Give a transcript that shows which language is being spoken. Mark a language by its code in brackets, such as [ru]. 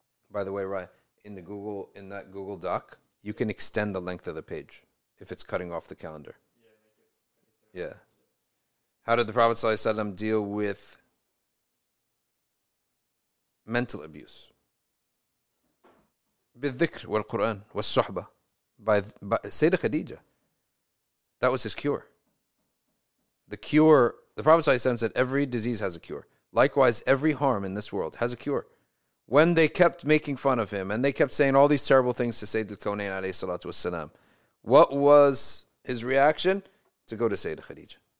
[en] By the way, Ryan, in that Google Doc, you can extend the length of the page if it's cutting off the calendar. Yeah. How did the Prophet ﷺ deal with mental abuse? [ar] بالذكر والقرآن والصحبة. [en] By Sayyidah Khadija. That was his cure. The cure, the Prophet ﷺ said, every disease has a cure. Likewise, every harm in this world has a cure. When they kept making fun of him and they kept saying all these terrible things to Sayyid al-Kawnayn alayhi salatu wassalam, what was his reaction? To go to Sayyidah Khadija.